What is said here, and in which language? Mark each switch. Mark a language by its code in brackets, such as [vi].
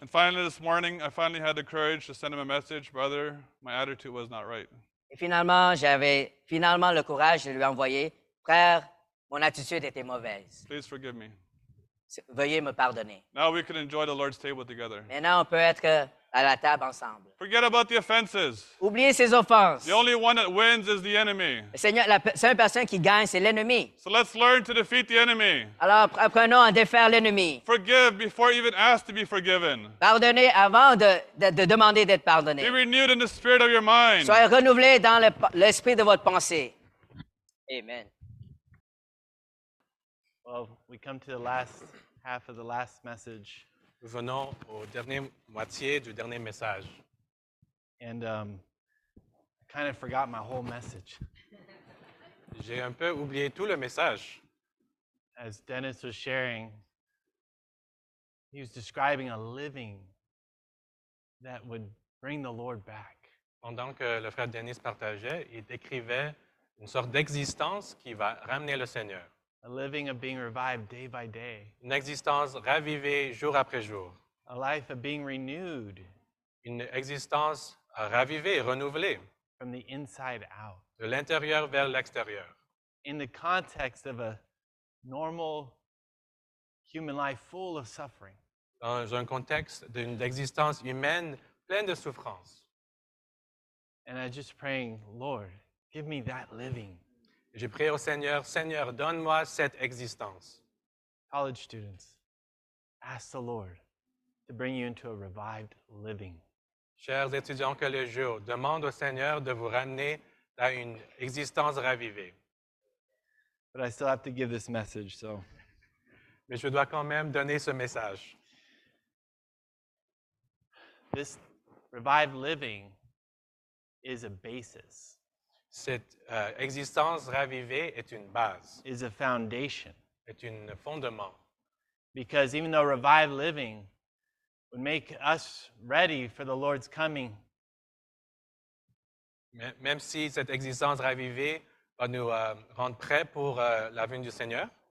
[en] And finally this morning, I finally had the courage to send him a message, brother, my attitude was not right. [fr] Et finalement, j'avais finalement le courage de lui envoyer, frère, mon attitude était mauvaise. [en] Please forgive me. [fr] Veuillez me pardonner. [en] Now we can enjoy the Lord's table together. [fr] Maintenant, on peut être à la table ensemble. [en] Forget about the offenses. [fr] Oubliez ses offenses. [en] The only one that wins is the enemy. [fr] Le Seigneur, la seule personne qui gagne, c'est l'ennemi. [en] So let's learn to defeat the enemy. [fr] Alors, apprenons à défaire l'ennemi. [en] Forgive before even ask to be forgiven. [fr] Pardonnez avant de demander d'être pardonné. [en] Be renewed in the spirit of your mind. [fr] Soyez renouvelé dans l'esprit de votre pensée. Amen. [en] Well, we come to the last half of the last message. [fr] Nous venons au dernier moitié du dernier message. [en] And I kind of forgot my whole message. [fr] J'ai un peu oublié tout le message. [en] As Dennis was sharing, he was describing a living that would bring the Lord back. [fr] Pendant que le frère Dennis partageait, il décrivait une sorte d'existence qui va ramener le Seigneur. [en] A living of being revived day by day. [fr] Une existence ravivée jour après jour. [en] A life of being renewed. [fr] Une existence ravivée, renouvelée. [en] From the inside out. [fr] De l'intérieur vers l'extérieur. [en] In the context of a normal human life full of suffering. [fr] Dans un contexte d'une existence humaine pleine de souffrance. [en] And I'm just praying, Lord, give me that living. [fr] J'ai prié au Seigneur, Seigneur, donne-moi cette existence. [en] College students, ask the Lord to bring you into a revived living. [fr] Chers étudiants collégiaux, demande au Seigneur de vous ramener à une existence ravivée. [en] But I still have to give this message, so. [fr] Mais je dois quand même donner ce message. [en] This revived living is a basis. [fr] Cette existence ravivée est une base. [en] Is a foundation. [fr] Est un fondement. [en] Because even though revived living would make us ready for the Lord's coming. [fr] Même si cette existence ravivée va nous rendre prêts pour la venue du Seigneur.